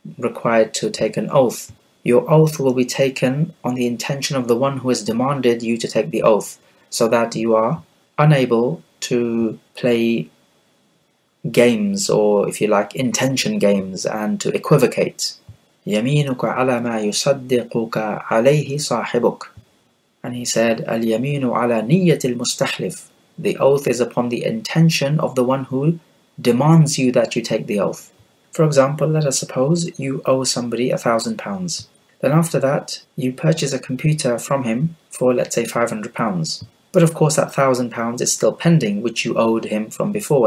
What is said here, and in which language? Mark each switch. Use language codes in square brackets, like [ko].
[en] required to take an oath. Your oath will be taken on the intention of the one who has demanded you to take the oath, so that you are unable to play games, or if you like, intention games, and to equivocate. [ar] يمينك على ما يصدقك عليه صاحبك. [en] And he said, [ar] اليمين على نية المستحلف. [en] The oath is upon the intention of the one who demands you that you take the oath. For example, let us suppose you owe somebody £1,000. Then after that, you purchase a computer from him for, let's say, £500. But of course, that £1,000 is still pending, which you owed him from before.